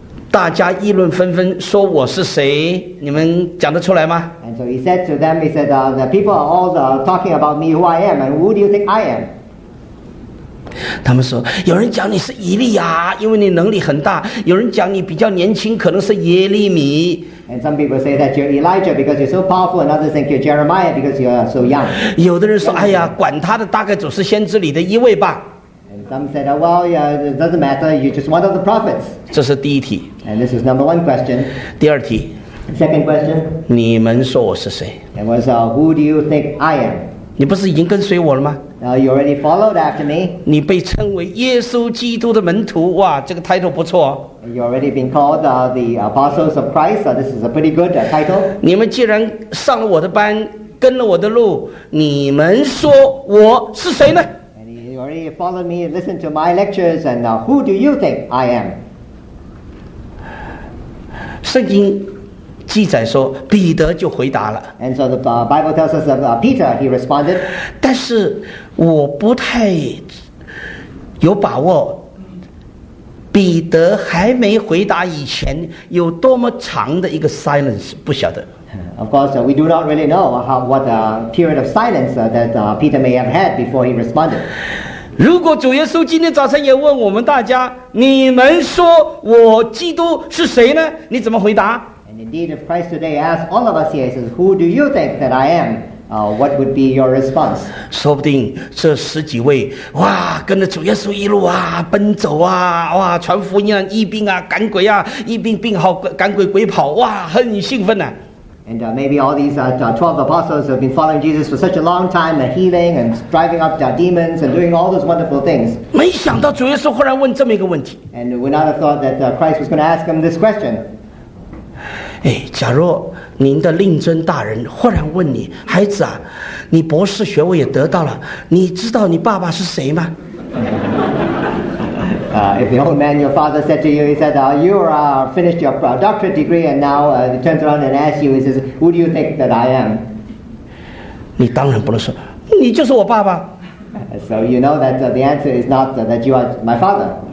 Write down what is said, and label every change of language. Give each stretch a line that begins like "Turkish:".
Chinese: 大家议论纷纷，说我是谁？你们讲得出来吗？
English: And so he said to them, he said, the people are all talking about me, who I am, and who do you think I am?
Chinese: 他们说有人讲你是以利亚，因为你能力很大，有人讲你比较年轻，可能是耶利米。
English: And some people say that you're Elijah because you're so powerful, and others think you're Jeremiah because you're so young.
Chinese: 有的人说哎呀管他的，大概总是先知里的一位吧。
English: And some said, well, yeah, it doesn't matter, you're just one of the prophets.
Chinese: 这是第一题。
English: And this is number one question.
Chinese: 第二题。
English: Second question.
Chinese: 你们说我是谁？
English: And was, who do you think I am?
Chinese: 你不是已经跟随我了吗？
English: You already followed after me.
Chinese: 你被称为耶稣基督的门徒，哇，这个 title 不错。
English: You already been called the apostles of Christ. This is a pretty good title.
Chinese: 你们既然上了我的班，跟了我的路，你们说我是谁呢？
English: And you already followed me, listened to my lectures, and who do you think I am?
Chinese: 圣经记载说，彼得就回答了。
English: And so the Bible tells us that Peter he responded.
Chinese: 但是我不太有把握，彼得还没回答以前有多么长的一个 silence， 不晓得。
English: Of course, we do not really know what period of silence that Peter may have had before he responded.
Chinese: 如果主耶稣今天早上也问我们大家，你们说我基督是谁呢？你怎么回答？
English: Indeed, if Christ today asks all of us here, he says, who do you think that I am? What would be your response?
Chinese: 说不定这十几位，哇，跟着主耶稣一路啊，奔走啊，哇，传福音啊，医病啊，赶鬼啊，医病病好，赶鬼鬼跑，哇，很兴奋啊。
English: And maybe all these 12 apostles have been following Jesus for such a long time, the healing and driving up demons and doing all those wonderful things.
Chinese: 没想到主耶稣忽然问这么一个问题。
English: And we would not have thought that Christ was going to ask him this question.
Chinese: 哎，假若您的令尊大人忽然问你，孩子啊，你博士学位也得到了，你知道你爸爸是谁吗？
English: If the old man, your father said to you, he said, you are finished your doctorate degree, and now he turns around and asks you, he says, who do you think that I am?
Chinese: 你当然不能说，你就是我爸爸。
English: So you know that the answer is not that you are my father.